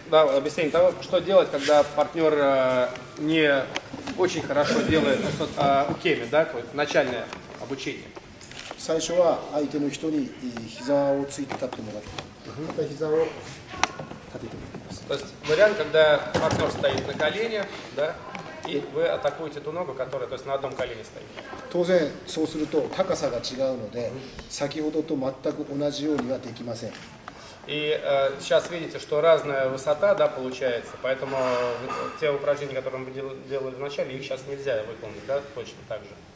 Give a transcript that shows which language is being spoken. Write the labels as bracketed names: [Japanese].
[Russian] да, что делать, когда партнер не очень хорошо делает укеми, да, начальное обучение. [Japanese] 最初は相手の人に膝をついて立ってもらって、膝を立てていきます。 [Russian] То есть вариант, когда партнер стоит на колене, да? И вы атакуете ту ногу, которая, то есть, на одном колене стоит. [Japanese] 当然、そうすると高さが違うので、先ほどと全く同じようにはできません。 [Russian] И сейчас видите, что разная высота, да, получается, поэтому те упражнения, которые мы делали вначале, их сейчас нельзя выполнить, да, точно так же.